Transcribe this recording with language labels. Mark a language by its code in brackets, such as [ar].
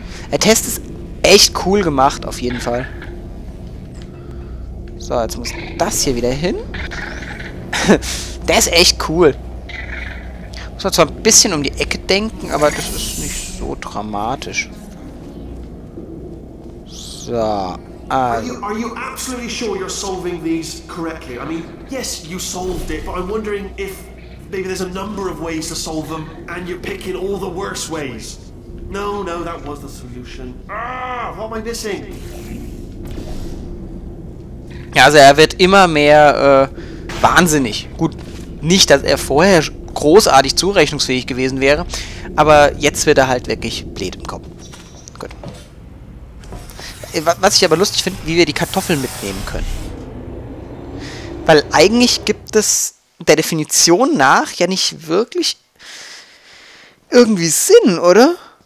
[de] Der Test ist echt cool gemacht, auf jeden Fall. So, jetzt muss das hier wieder hin. Der ist echt cool. Muss man zwar ein bisschen um die Ecke denken, aber das ist nicht so dramatisch. So, [en] Are you absolutely sure you're solving these correctly? I mean, yes, you solved it, but I'm wondering if maybe there's a number of ways to solve them and you're picking all the worst ways. No, no, that was the solution. Ah, what am I missing? [de] Ja, also er wird immer mehr wahnsinnig. Gut, nicht, dass er vorher großartig zurechnungsfähig gewesen wäre, aber jetzt wird er halt wirklich blöd im Kopf. Gut. Was ich aber lustig finde, wie wir die Kartoffeln mitnehmen können. Weil eigentlich gibt es der Definition nach ja nicht wirklich irgendwie Sinn, oder?